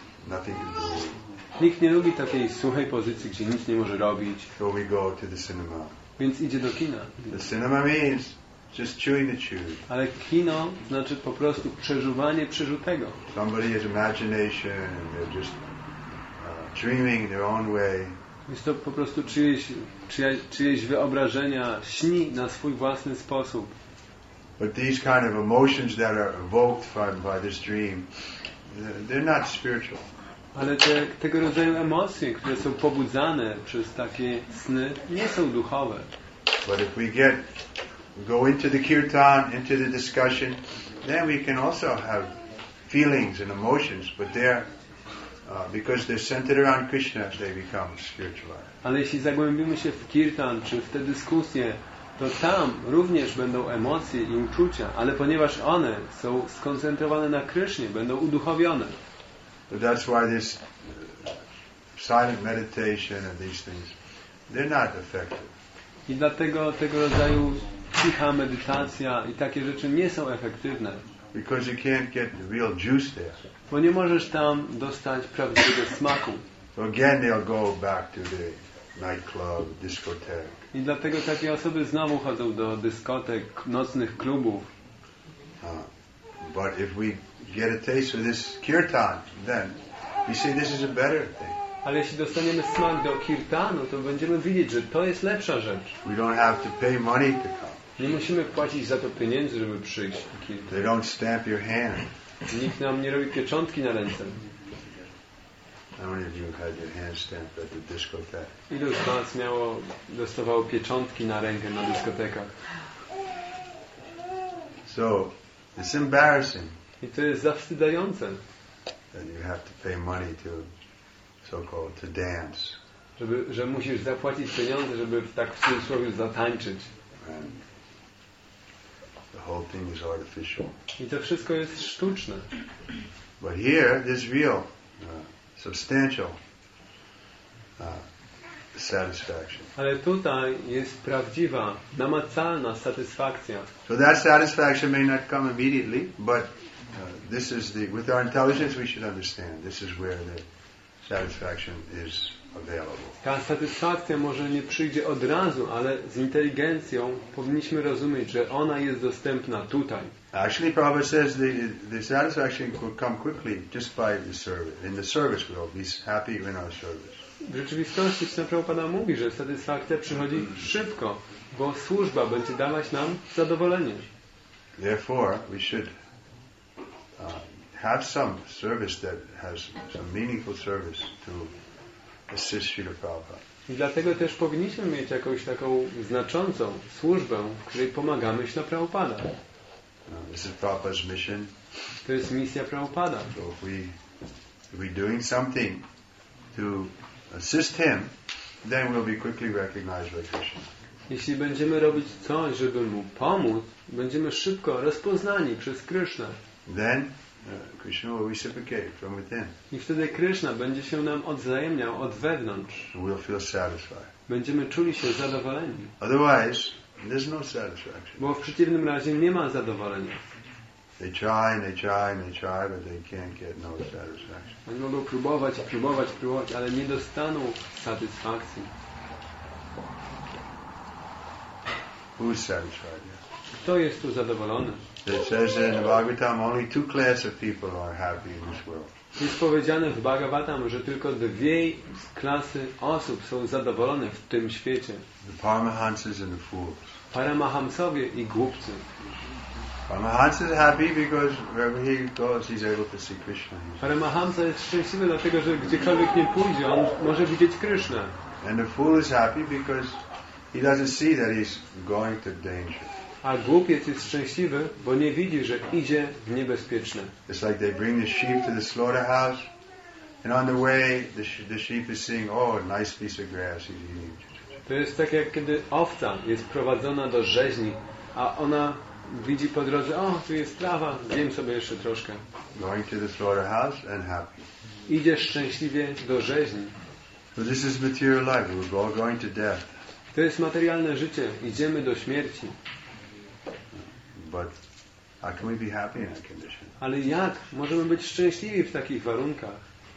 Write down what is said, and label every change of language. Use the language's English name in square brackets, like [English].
[English] Nothing to do. [Polish] Nikt nie lubi takiej suchej pozycji, gdzie nic nie może robić. [English] So we go to the cinema. [Polish] Więc idzie do kina. [English] The cinema means just chewing the chew. [Polish] Ale kino znaczy po prostu przeżuwanie przeżutego. [English] Somebody has imagination and they're just dreaming their own way. [Polish] Jest to po prostu czyjeś wyobrażenia, śni na swój własny sposób. [English] But these kind of emotions that are evoked by this dream, they're not spiritual. [Polish] Ale tego rodzaju emocje, które są pobudzane przez takie sny, nie są duchowe. [English] But if we get go into the kirtan, into the discussion, then we can also have feelings and emotions, but they're because they're centered around Krishna, they become spiritualized. [Polish] Ale jeśli zagłębimy się w kirtan czy w te dyskusje, to tam również będą emocje i uczucia, ale ponieważ one są skoncentrowane na Krysznie, będą uduchowione. [English] But that's why this silent meditation and these things, they're not effective. [Polish] I dlatego tego rodzaju cicha medytacja i takie rzeczy nie są efektywne. [English] Because you can't get the real juice there. [Polish] Bo nie możesz tam dostać prawdziwego smaku. [English] So again they'll go back to the nightclub, discotheque. [Polish] I dlatego takie osoby znowu chodzą do dyskotek, nocnych klubów. [English] But if we get a taste of this kirtan, then we say this is a better thing. [Polish] Ale jeśli dostaniemy smak do kirtanu, to będziemy widzieć, że to jest lepsza rzecz. [English] We don't have to pay money to come. [Polish] Nie musimy płacić za to pieniędzy, żeby przyjść do kirtanu. [English] They don't stamp your hand. [Polish] Nikt nam nie robi pieczątki na ręce. [English] How many of you had your hand stamped at the discotheque? [Polish] Ilu z was dostawało pieczątki na rękę na dyskotekach? [English] So, it's embarrassing. [Polish] I to jest zawstydzające. [English] That you have to pay money to so-called to dance. [Polish] Że musisz zapłacić pieniądze, żeby tak w cudzysłowie zatańczyć. [English] And the whole thing is artificial. [Polish] I to wszystko jest sztuczne. [English] But here, this real, substantial satisfaction. [Polish] Ale tutaj jest prawdziwa, namacalna satysfakcja. [English] So that satisfaction may not come immediately, but this is the with our intelligence we should understand. This is where the satisfaction is available. [Polish] Ta satysfakcja może nie przyjdzie od razu, ale z inteligencją powinniśmy rozumieć, że ona jest dostępna tutaj. [English] Actually, Prabhupada says the satisfaction could come quickly just by the service. In the service, we'll be happy in our service. [Polish] W rzeczywistości Śrila Prabhupada mówi, że satysfakcja przychodzi szybko, bo służba będzie dawać nam zadowolenie. [English] Therefore, we should have some service that has some meaningful service to assist Śrila Prabhupada. [Polish] I dlatego też powinniśmy mieć jakąś taką znaczącą służbę, w której pomagamy Śrila Prabhupada. [English] This is Prabhupada's mission. [Polish] To jest misja Prabhupada. [English] So if we doing something to assist him, then we'll be quickly recognized by Krishna. [Polish] Jeśli będziemy robić coś, żeby mu pomóc, będziemy szybko rozpoznani przez Krishna. [English] Then Krishna will reciprocate from within. [Polish] I wtedy Krishna będzie się nam odwzajemniał od wewnątrz. [English] We'll feel satisfied. [Polish] Będziemy czuli się zadowoleni. [English] Otherwise, there's no satisfaction. [Polish] Bo w przeciwnym razie nie ma zadowolenia. [English] They try and they try and they try, but they can't get no satisfaction. [Polish] Oni mogą próbować, próbować, próbować, ale nie dostaną satysfakcji. [English] Who's satisfied? Yeah. [Polish] Kto jest tu zadowolony? [English] It says in the Bhagavatam only two classes of people are happy in this world. [Polish] Jest powiedziane w Bhagavatam, że tylko dwie klasy osób są zadowolone w tym świecie. [English] The Paramahansas and the fools. [Polish] Paramahamsowie i głupcy. [English] Paramahansa is happy because wherever he goes, he's able to see Krishna. [Polish] Paramahamsa jest szczęśliwy dlatego, że gdziekolwiek nie pójdzie, on może widzieć Krishna. [English] And the fool is happy because he doesn't see that he's going to danger. [Polish] A głupiec jest szczęśliwy, bo nie widzi, że idzie w niebezpieczne. [English] It's like they bring the sheep to the slaughterhouse, And on the way, the sheep is seeing, oh, nice piece of grass he's eating. [Polish] To jest tak, jak kiedy owca jest prowadzona do rzeźni, a ona widzi po drodze, o, tu jest trawa, zjem sobie jeszcze troszkę. [English] Going to the slaughterhouse and happy. [Polish] Idzie szczęśliwie do rzeźni. [English] So this is material life. We're all going to death. [Polish] To jest materialne życie. Idziemy do śmierci. [English] But how can we be happy in that condition? [Polish] Ale jak możemy być szczęśliwi w takich warunkach?